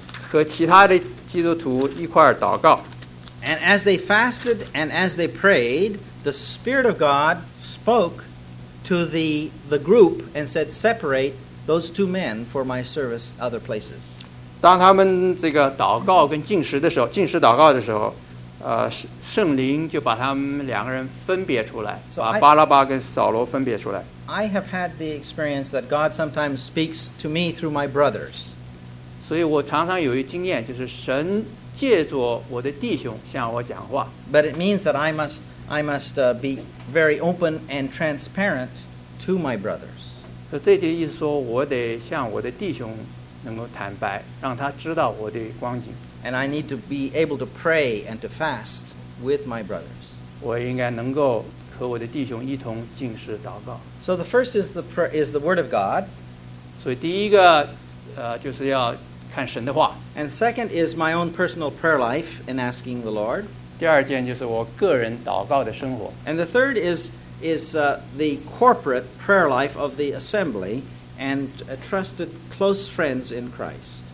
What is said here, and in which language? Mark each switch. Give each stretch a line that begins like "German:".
Chinese: 和其他的基督徒一块儿祷告。
English: And as they fasted and as they prayed, the Spirit of God spoke to the group and said, "Separate those two men for my service other places."
Chinese: 当他们这个祷告跟禁食的时候，禁食祷告的时候，圣灵就把他们两个人分别出来，把巴拉巴跟扫罗分别出来。
English: I have had the experience that God sometimes speaks to me through my brothers.
Chinese: 所以我常常有一经验，就是神借着我的弟兄向我讲话。
English: But it means that I must be very open and transparent to my brothers.
Chinese: 所以这就意思说，我得向我的弟兄能够坦白，让他知道我的光景。
English: And I need to be able to pray and to fast with my brothers.
Chinese: 我应该能够和我的弟兄一同进食祷告。
English: So the first is the word of God.
Chinese: 所以第一个就是要看神的话。
English: And second is my own personal prayer life in asking the Lord.
Chinese: 第二件就是我个人祷告的生活。
English: And the third is the corporate prayer life of the assembly and trusted close friends in Christ.